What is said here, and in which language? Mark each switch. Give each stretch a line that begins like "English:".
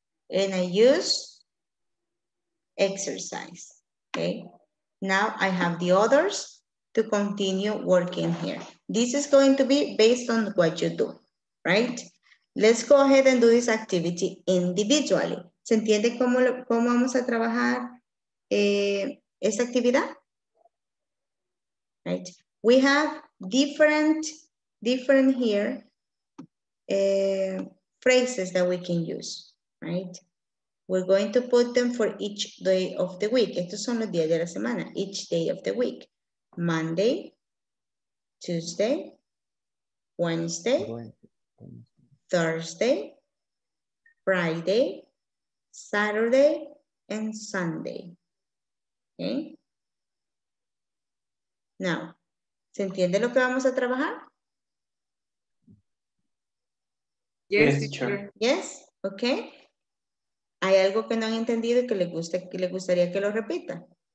English: And I use exercise, okay? Now I have the others to continue working here. This is going to be based on what you do, right? Let's go ahead and do this activity individually.
Spanish: ¿Se entiende cómo vamos a trabajar esta actividad?
English: Right? We have different here phrases that we can use, right? We're going to put them for each day of the week.
Spanish: Estos son los días de la semana,
English: each day of the week. Monday, Tuesday, Wednesday, Thursday, Friday, Saturday, and Sunday. Okay? Now,
Spanish: ¿se entiende lo que vamos a trabajar?
English: Yes, teacher. Yes, okay.
Spanish: ¿Hay algo que no han entendido y que les guste, que les gustaría que lo repita?